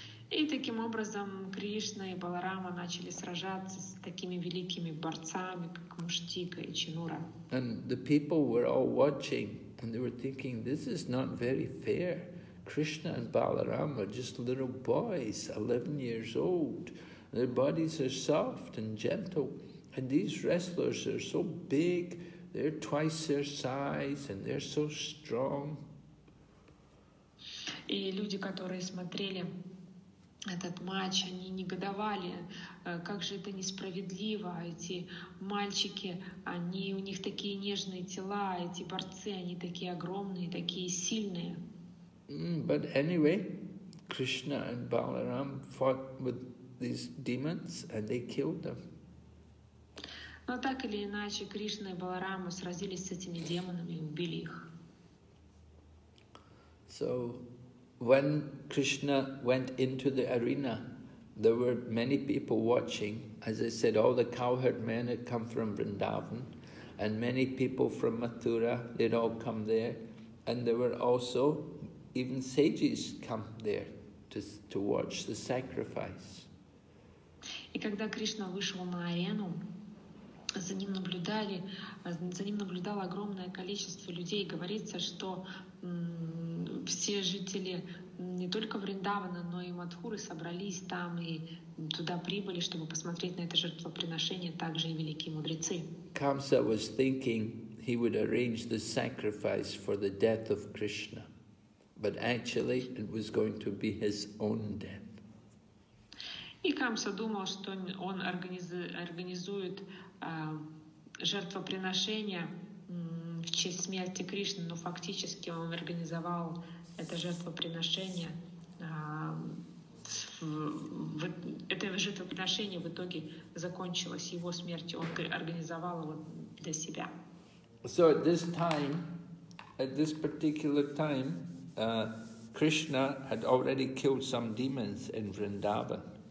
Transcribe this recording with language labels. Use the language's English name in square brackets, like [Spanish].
[Russian] И таким образом Кришна и Баларама начали сражаться с такими великими борцами, как Муштика и Чанура. [English] And the people were all watching, and they were thinking, this is not very fair. Krishna and Balaram are just little boys, 11 years old. Their bodies are soft and gentle, and these wrestlers are so big, they're twice their size, and they're so strong. [Russian] И люди, которые смотрели этот матч, они негодовали, как же это несправедливо, эти мальчики, они, у них такие нежные тела, эти борцы, они такие огромные, такие сильные. [English] But anyway, Krishna and Balaram fought with these demons and they killed them. [Russian] Но так или иначе, Кришна и Баларама сразились с этими демонами и убили их. [English] So when Krishna went into the arena, there were many people watching. As I said, all the cowherd men had come from Vrindavan, and many people from Mathura, they'd all come there. And there were also even sages come there to watch the sacrifice. [Russian] И когда Кришна вышел на арену, за ним наблюдало огромное количество людей. Говорится, что все жители не только Вриндавана, но и Мадхуры собрались там и туда прибыли, чтобы посмотреть на это жертвоприношение, также и великие мудрецы. [English] Камса was thinking he would arrange the sacrifice for the death of Krishna, but actually it was going to be his own death. [Russian] И Камса думал, что он организует жертвоприношение в честь смерти Кришны, но фактически он организовал это жертвоприношение, это жертвоприношение в итоге закончилось его смертью, он организовал его для себя. [English] So at this time, at this particular time, Krishna had already killed some demons in Vrindavan.